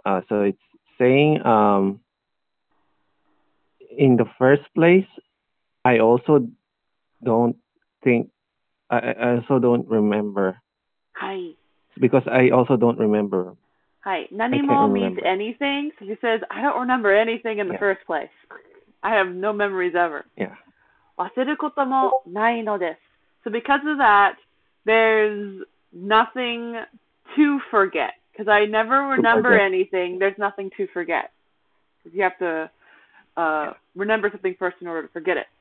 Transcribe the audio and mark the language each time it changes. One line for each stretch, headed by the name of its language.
English: So it's saying, in the first place, I also don't think, I also don't remember. Hi. Because I also don't remember. Hi. Nanimo means anything. So she says, I don't remember anything in the first place. I have no memories ever. Yeah.
Japanese: 忘れることもないのです。
English: So because of that, there's nothing to forget. Because I never remember anything, there's nothing to forget. Because you have to remember something first in order to forget it.